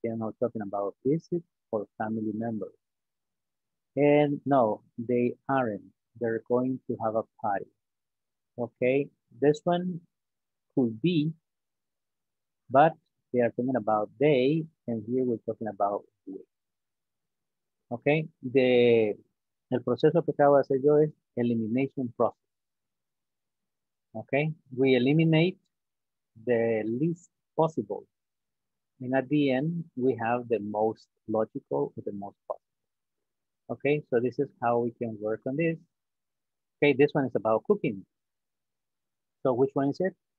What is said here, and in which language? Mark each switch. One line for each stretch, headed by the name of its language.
English: They are not talking about visit or family members. And no, they aren't. They're going to have a party. Okay, this one could be, but they are talking about they, and here we're talking about we.
Spanish: Okay, el proceso que acabo de hacer yo es
English: elimination process. Okay, we eliminate the least possible, and at the end, we have the most logical or the most possible. Okay, so this is how we can work on this. Okay, this one is about cooking. So which one is it?